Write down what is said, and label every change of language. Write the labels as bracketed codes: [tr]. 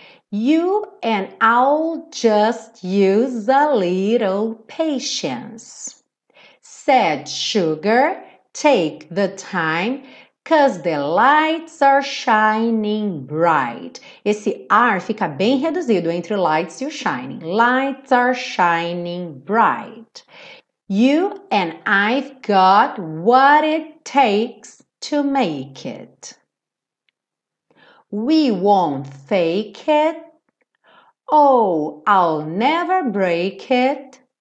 [en] You and I'll just use a little patience. Said sugar, take the time, 'cause the lights are shining bright. [pt] Esse R fica bem reduzido entre o lights e o shining. [en] Lights are shining bright. You and I've got what it takes to make it. We won't fake it. Oh, I'll never break it.